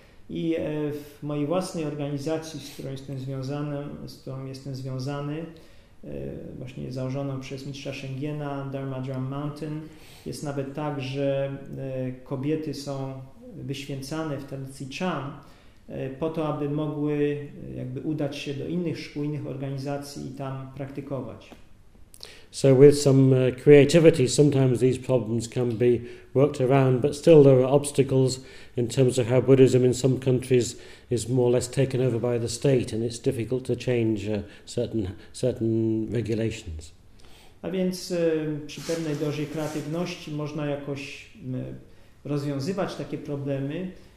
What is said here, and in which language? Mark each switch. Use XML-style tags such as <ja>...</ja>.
<pl>I w mojej własnej organizacji, z którą jestem związany, właśnie założoną przez mistrza Shengena, Dharma Drum Mountain, jest nawet tak, że kobiety są wyświęcane w tradycji Chan po to, aby mogły jakby udać się do innych szkół, innych organizacji i tam praktykować.</pl> <en>So with some creativity, sometimes these problems can be worked around, but still there are obstacles in terms of how Buddhism in some countries is more or less taken over by the state, and it's difficult to change certain regulations.</en> <pl>A więc przy pewnej dozie kreatywności można jakoś rozwiązywać takie problemy.</pl>